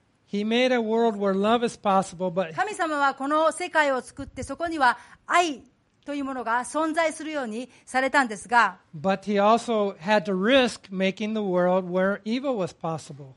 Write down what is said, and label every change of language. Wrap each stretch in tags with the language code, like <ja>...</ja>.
<en>He made a world where love is possible, but</en> <ja>神様はこの世界を作ってそこには愛というものが存在するようにされたんですが</ja> <en>But he also had to risk making the world where evil was possible.</en>